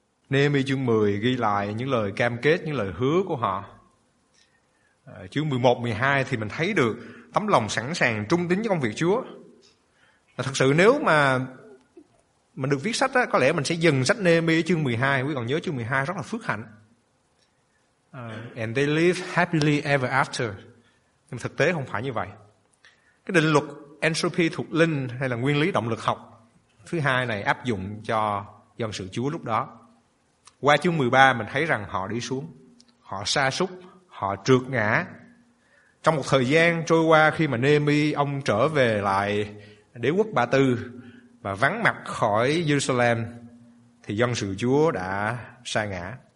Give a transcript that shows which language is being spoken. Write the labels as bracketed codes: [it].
[vi] Nê-hê-mi chương 10 ghi lại những lời cam kết, những lời hứa của họ. Chương 11, 12 thì mình thấy được tấm lòng sẵn sàng trung tín với công việc Chúa. Thật sự nếu mà mình được viết sách á, có lẽ mình sẽ dừng sách Nê-hê-mi chương 12. Quý còn nhớ chương 12 rất là phước hạnh. [en] And they live happily ever after. [vi] Nhưng thực tế không phải như vậy. Cái định luật entropy thuộc linh hay là nguyên lý động lực học thứ hai này áp dụng cho dân sự Chúa lúc đó. Qua chương 13 mình thấy rằng họ đi xuống, họ sa sút, họ trượt ngã. Trong một thời gian trôi qua, khi mà Nê-hê-mi ông trở về lại đế quốc Ba Tư và vắng mặt khỏi Jerusalem, thì dân sự Chúa đã sa ngã.